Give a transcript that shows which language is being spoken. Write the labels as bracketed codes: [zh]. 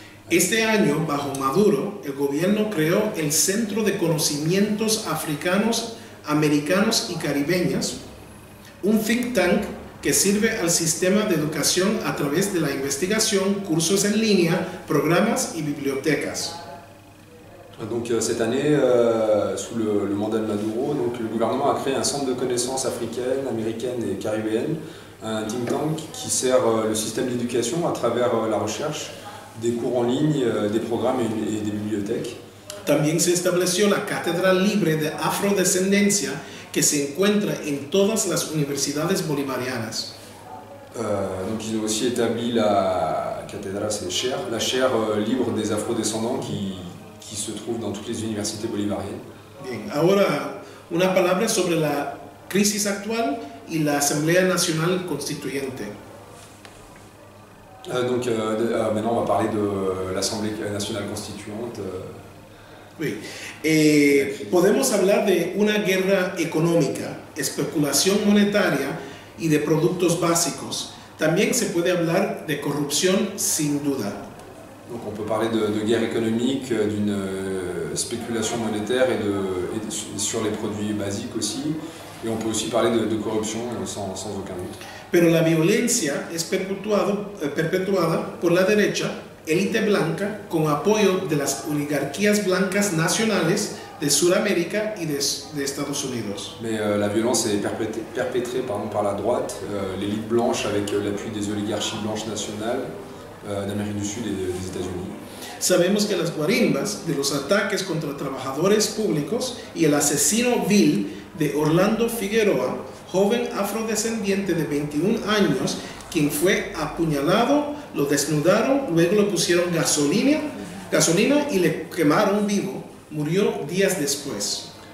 [es] Este año, bajo Maduro, el gobierno creó el Centro de Conocimientos Africanos, Americanos y Caribeños, un think tank que sirve al sistema de educación a través de la investigación, cursos en línea, programas y bibliotecas. [fr] Donc cette année, sous le mandat de Maduro, donc le gouvernement a créé un centre de connaissances africaines, américaines et caribéennes, un think tank qui sert le système d'éducation à travers la recherche, des cours en ligne, des programmes et des bibliothèques. [es] También se estableció la Cátedra Libre de Afrodescendencia que se encuentra en todas las universidades bolivarianas. [fr] Donc ils ont aussi établi la cathédrale, c'est cher, la chaire libre des afrodescendants qui se trouve dans toutes les universités bolivariennes. [es] Bien, ahora una palabra sobre la crisis actual y la Asamblea Nacional Constituyente. [fr] Maintenant on va parler de l'Assemblée nationale constituante. [es] Sí. Podemos hablar de una guerra económica, especulación monetaria y de productos básicos. También se puede hablar de corrupción sin duda. [fr] Donc on peut parler de guerre économique, d'une spéculation monétaire et sur les produits basiques aussi. Et on peut aussi parler de corruption sans aucun doute. [es] Pero la violencia es perpetuada por la derecha, élite blanca, con apoyo de las oligarquías blancas nacionales de Sudamérica y de Estados Unidos. [fr] Mais la violence est perpétrée par la droite, l'élite blanche avec l'appui des oligarchies blanches nationales d'Amérique du Sud et des États-Unis. [es] Sabemos que las guarimbas de los ataques contra trabajadores públicos y el asesino vil de Orlando Figueroa, joven afrodescendiente de 21 años, quien fue apuñalado, lo desnudaron, luego le pusieron gasolina y le quemaron vivo, murió días después.